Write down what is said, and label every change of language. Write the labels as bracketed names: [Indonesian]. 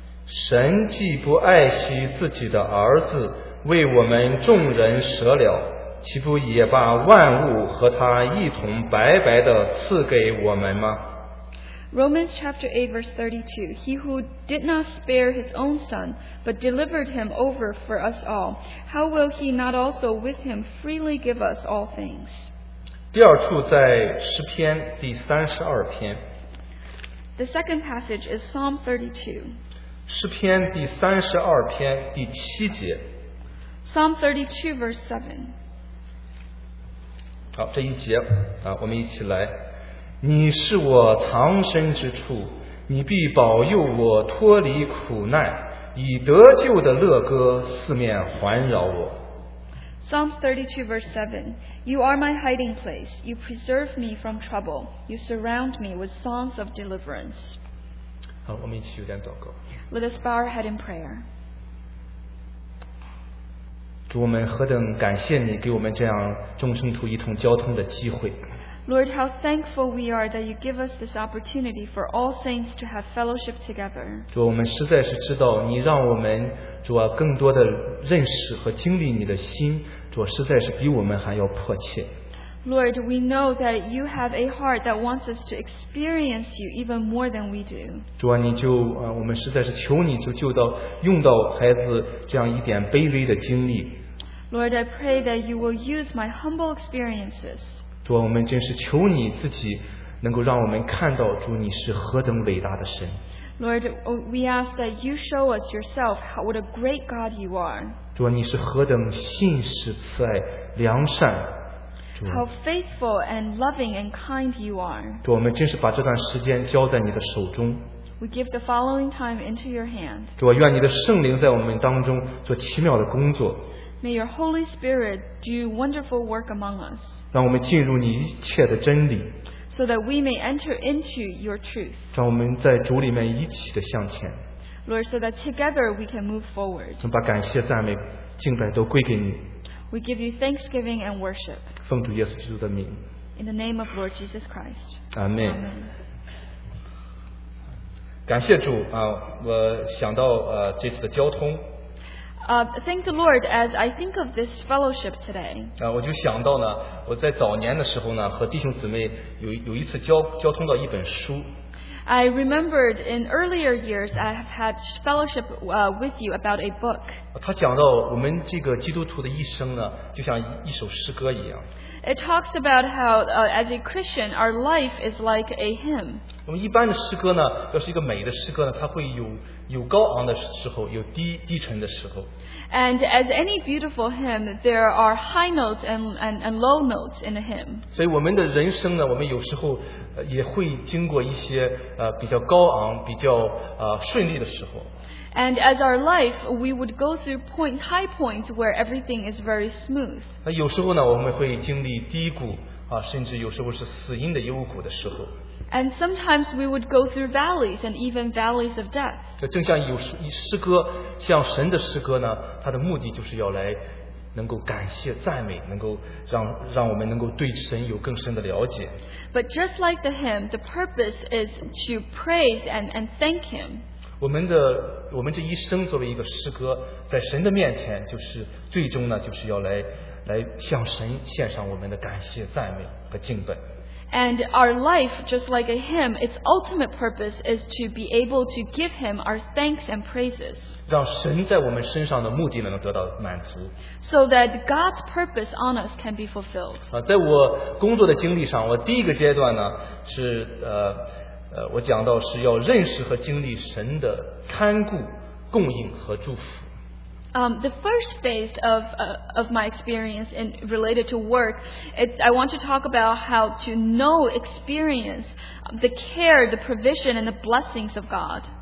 [Chinese] 罗马书第八章的第32节这一节，我们一起来，神既不爱惜自己的儿子。为我们众人舍了，岂不也把万物和他一同白白的赐给我们吗？ [English] Romans chapter 8 verse 32. He who did not spare his own son, but delivered him over for us all, how will he not also with him freely give us all things? [Chinese] 第二处在诗篇第32篇。 [English] The second passage is Psalm 32. [Chinese] 诗篇第32篇第7节。 [English] Psalm 32, verse 7. [Chinese] 好，这一节，我们一起来。你是我藏身之处，你必保佑我脱离苦难，以得救的乐歌四面环绕我。Psalm [English] 32, verse 7. You are my hiding place. You preserve me from trouble. You surround me with songs of deliverance. [Chinese] 好，我们一起有点祷告。 [English] Let us bow our head in prayer. [Chinese] 主，我们何等感谢你给我们这样众圣徒一同交通的机会。 [English] Lord, how thankful we are that you give us this opportunity for all saints to have fellowship together. [Chinese] 主，我们实在是知道你让我们主啊更多的认识和经历你的心，主实在是比我们还要迫切。 [English] Lord, we know that you have a heart that wants us to experience you even more than we do. [Chinese] 主啊，你就啊，我们实在是求你就救到用到孩子这样一点卑微的经历。 [English] Lord, I pray that you will use my humble experiences. [Chinese] 主啊，我们真是求你自己能够让我们看到主你是何等伟大的神。 [English] Lord, we ask that you show us yourself how, what a great God you are. [Chinese] 主啊，你是何等信实、慈爱、良善。 [English] How faithful and loving and kind you are. [Chinese] 主，我们真是把这段时间交在你的手中。 [English] We give the following time into your hand. [Chinese] 主，愿你的圣灵在我们当中做奇妙的工作。 [English] May your Holy Spirit do wonderful work among us. [Chinese] 让我们进入你一切的真理。 [English] So that we may enter into your truth. [Chinese] 让我们在主里面一起的向前。 [English] Lord, so that together we can move forward. [Chinese] 把感谢、赞美、敬拜都归给你。 [English] We give you thanksgiving and worship. [Chinese] 奉主耶稣基督的名。 [English] In the name of Lord Jesus Christ. Amen. [Chinese] 感谢主啊！我想到这次的交通。 [English] Thank the Lord as I think of this fellowship today. [Chinese] 啊，我就想到呢，我在早年的时候呢，和弟兄姊妹有一次交通到一本书。 [English] I remembered in earlier years I have had fellowship with you about a book. [Chinese] 他讲到我们这个基督徒的一生呢，就像一首诗歌一样。 [English] It talks about how as a Christian our life is like a hymn. [Chinese] 我们一般的诗歌呢，要是一个美的诗歌呢，它会有高昂的时候，有低沉的时候。 [English] And as any beautiful hymn, there are high notes and low notes in a hymn. [Chinese] 所以我们的人生呢，我们有时候也会经过一些比较高昂、比较顺利的时候。 [English] And as our life, we would go through high points where everything is very smooth. [Chinese] 那有时候呢，我们会经历低谷啊，甚至有时候是死荫的幽谷的时候。 [English] And sometimes we would go through valleys and even valleys of death. [Chinese] 这正像有诗歌，像神的诗歌呢，它的目的就是要来能够感谢赞美，能够让我们能够对神有更深的了解。 [English] But just like the hymn, the purpose is to praise and thank him. [Chinese] 我们这一生作为一个诗歌，在神的面前，就是最终呢，就是要来向神献上我们的感谢、赞美和敬拜。 [English] And our life, just like a hymn, its ultimate purpose is to be able to give him our thanks and praises. [Chinese] 让神在我们身上的目的能得到满足。 [English] So that God's purpose on us can be fulfilled. [Chinese] 在我工作的经历上，我第一个阶段呢，是我讲到是要认识和经历神的看顾、供应和祝福。 [English] The first phase of my experience in related to work, I want to talk about how to know, experience the care, the provision, and the blessings of God.